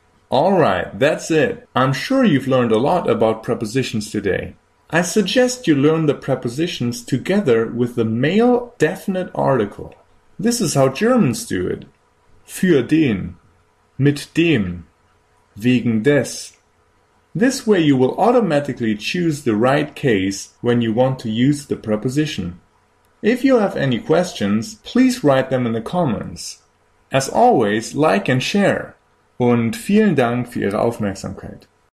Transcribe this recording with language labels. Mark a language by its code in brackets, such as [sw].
[en] Alright, that's it. I'm sure you've learned a lot about prepositions today. I suggest you learn the prepositions together with the male definite article. This is how Germans do it. [de] Für den, mit dem, wegen des. [en] This way you will automatically choose the right case when you want to use the preposition. If you have any questions, please write them in the comments. As always, like and share. [de] Und vielen Dank für Ihre Aufmerksamkeit.